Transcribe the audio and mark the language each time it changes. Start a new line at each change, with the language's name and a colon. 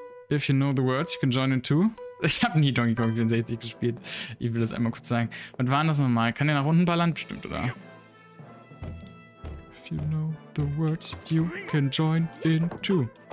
English: If you know the words, you can join in too.
German: Ich habe nie Donkey Kong 64 gespielt. Ich will das einmal kurz sagen. Was war das nochmal? Kann der nach unten ballern? Bestimmt, oder?
English: If you know the words, you can join in too.